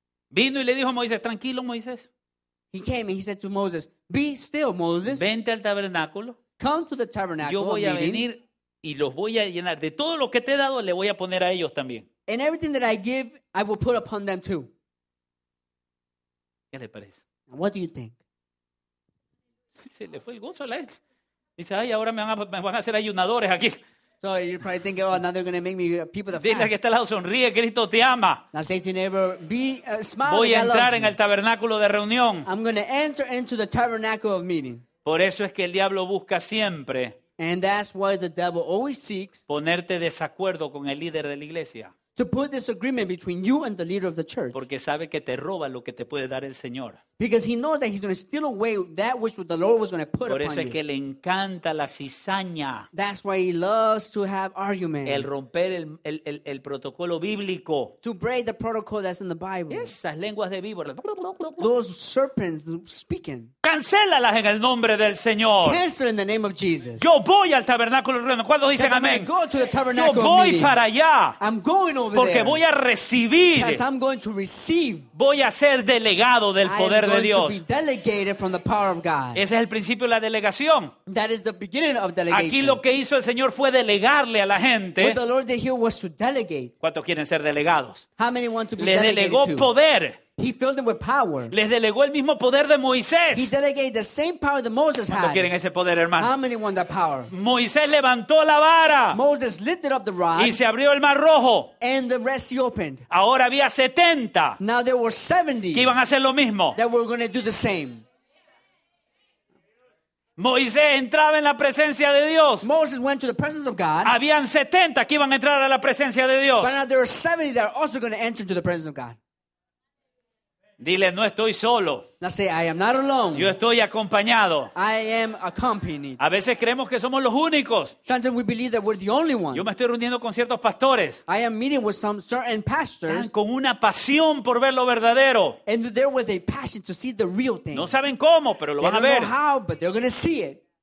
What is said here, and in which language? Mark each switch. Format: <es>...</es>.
<es>Vino y le dijo a Moisés, tranquilo, Moisés.</es> <en>He came and he said to Moses, be still, Moses.</en> <es>Vente al tabernáculo.</es> <en>Come to the tabernacle.</en> <es>Yo voy a venir y los voy a llenar. De todo lo que te he dado, le voy a poner a ellos también.</es> <en>And everything that I give, I will put upon them too.</en> <es>¿Qué le parece?</es> <en>What do you think?</en> <es>Se le fue el gozo a la gente. Dice, ay, ahora me van a hacer ayunadores aquí.</es> <en>So you're probably thinking, oh, now they're going to make me people that fast.</en> <es>Dile que está al lado, sonríe, Cristo te ama.</es> <en>Now say to your neighbor, smile.</en> <es>Voy a entrar en el tabernáculo de reunión.</es> <en>I'm going to enter into the tabernacle of meeting.</en> <es>Por eso es que el diablo busca siempre.</es> <en>And that's why the devil always seeks.</en> <es>Ponerte desacuerdo con el líder de la iglesia.</es> <en>To put disagreement between you and the leader of the church.</en> <es>Porque sabe que te roba lo que te puede dar el Señor.</es> <en>Because he knows that he's going to steal away that which the Lord was going to put upon you.</en> <es>Por eso es que le encanta la cizaña.</es> <en>That's why he loves to have arguments.</en> <es>El romper el protocolo bíblico.</es> <en>To break the protocol that's in the Bible.</en> <es>Esas lenguas de víbora.</es> <en>Those serpents speaking.</en> <es>Cancélalas en el nombre del Señor.</es> <en>Cancel in the name of Jesus.</en> <es>Yo voy al tabernáculo. ¿Cuándo dicen amén?</es> <en>Go to the tabernacle.</en> <es>Yo voy para allá.</es> <en>I'm going over</en> <es>porque</es> <en>there.</en> <es>Voy a recibir.</es> <en>Because I'm going to receive.</en> <es>Voy a ser delegado del poder.</es> <en>Going</en> <es>de Dios.</es> <en>To be delegated from the power of God.</en> <es>Ese es el principio de la delegación.</es> <en>That is the beginning of delegation.</en> <es>Aquí lo que hizo el Señor fue delegarle a la gente.</es> <en>What the Lord did here was to delegate.</en> <es>¿Cuántos quieren ser delegados?</es> <en>How many want to be</en> <es>Le</es> <en>delegated</en> <es>delegó</es> <en>to?</en> <es>Poder.</es> <en>He filled them with power.</en> <es>Les delegó el mismo poder de Moisés.</es> <en>He delegated the same power that Moses</en> <es>¿Cuántos</es> <en>had?</en> <es>Quieren ese poder, hermano?</es> <en>How many want that power?</en> <es>Moisés levantó la vara.</es> <en>Moses lifted up the rod.</en> <es>Y se abrió el mar rojo.</es> <en>And the Red Sea opened.</en> <es>Ahora había 70.</es> <en>Now there were 70.</en> <es>Que iban a hacer lo mismo.</es> <en>That were going to do the same.</en> <es>Moisés entraba en la presencia de Dios.</es> <en>Moses went to the presence of God.</en> <es>Habían 70 que iban a entrar a la presencia de Dios.</es> <en>But now there are 70 that are also going to enter into the presence of God.</en> <es>Dile, no estoy solo.</es> <en>Now say, I am not alone.</en> <es>Yo estoy acompañado.</es> <en>I am accompanied.</en> <es>A veces creemos que somos los únicos.</es> <en>Sometimes we believe that we're the only ones.</en> <es>Yo me estoy reuniendo con ciertos pastores.</es> <en>I am meeting with some certain pastors.</en> <es>Están con una pasión por ver lo verdadero.</es> <en>And they're with a passion to see the real thing.</en> <es>No saben cómo, pero lo</es> <en>they</en> <es>van a ver.</es> <en>They don't know how, but they're going to see it.</en>